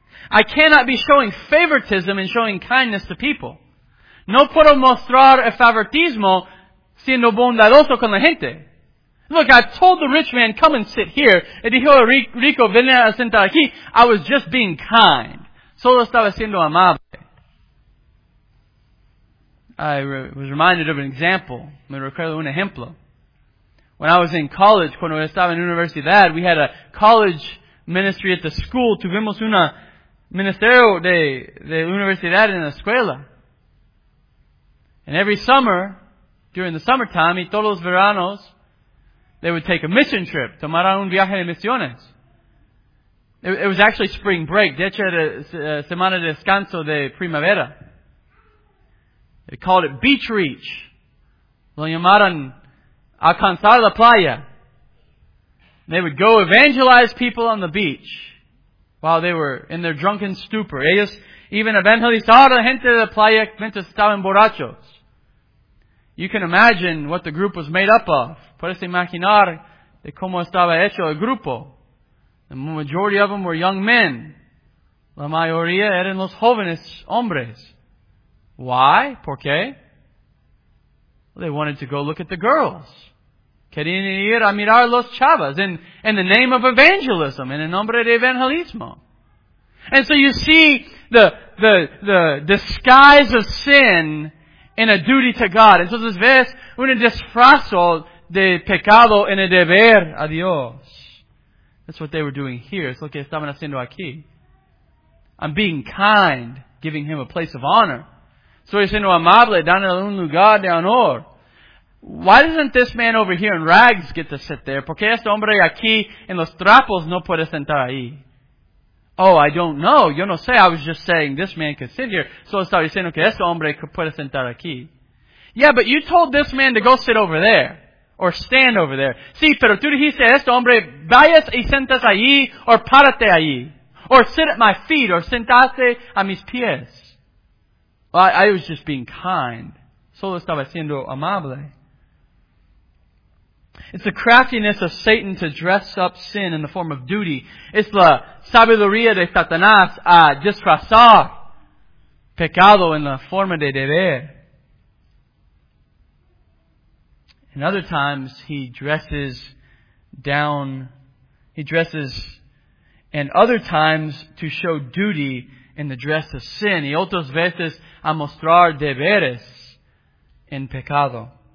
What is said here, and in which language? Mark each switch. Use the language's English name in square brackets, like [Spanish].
[English] I cannot be showing favoritism and showing kindness to people. [Spanish] No puedo mostrar el favoritismo siendo bondadoso con la gente. [English] Look, I told the rich man, come and sit here. [Spanish] Y dijo el rico, ven a sentar aquí. [English] I was just being kind. [Spanish] Solo estaba siendo amable. [English] I was reminded of an example. [Spanish] Me recuerdo un ejemplo. [English] When I was in college, [Spanish] cuando estaba en universidad, [English] we had a college ministry at the school. [Spanish] Tuvimos una ministerio de universidad en la escuela. [English] And every summer, during the summertime, [Spanish] y todos los veranos, [English] they would take a mission trip. [Spanish] Tomaron un viaje de misiones. [English] It was actually spring break. [Spanish] De hecho, era semana de descanso de primavera. [English] They called it beach reach. [Spanish] Lo llamaron alcanzar la playa. [English] They would go evangelize people on the beach while they were in their drunken stupor. [Spanish] Ellos even evangelizaron a la gente de la playa mientras estaban borrachos. [English] You can imagine what the group was made up of. [Spanish] Puedes imaginar de cómo estaba hecho el grupo. [English] The majority of them were young men. [Spanish] La mayoría eran los jóvenes hombres. [English] Why? [Spanish] ¿Por qué? [English] Well, they wanted to go look at the girls. [Spanish] Querían ir a mirar los chavas [English] in the name of evangelism, in [Spanish] el nombre de evangelismo. [English] And so you see the disguise of sin in a duty to God. [Spanish] Entonces ves un disfrazo de pecado en el deber a Dios. [English] That's what they were doing here. [Spanish] Es lo que estaban haciendo aquí. [English] I'm being kind, giving him a place of honor. [Spanish] Soy siendo amable, dándole un lugar de honor. [English] Why doesn't this man over here in rags get to sit there? [Spanish] ¿Por qué este hombre aquí en los trapos no puede sentar ahí? [English] Oh, I don't know. [Spanish] Yo no sé. [English] I was just saying this man could sit here. [Spanish] So estaba diciendo que este hombre puede sentar aquí. [English] Yeah, but you told this man to go sit over there. Or stand over there. [Spanish] Sí, pero tú dijiste a este hombre, vayas y sentas allí, or párate allí. [English] Or sit at my feet, or [Spanish] sentaste a mis pies. [English] Well, I was just being kind. [Spanish] Solo estaba siendo amable. [English] It's the craftiness of Satan to dress up sin in the form of duty. [Spanish] Es la sabiduría de Satanás a disfrazar pecado en la forma de deber. [English] And other times he dresses, and other times to show duty in the dress of sin. [Spanish] Y otras veces a mostrar deberes en pecado.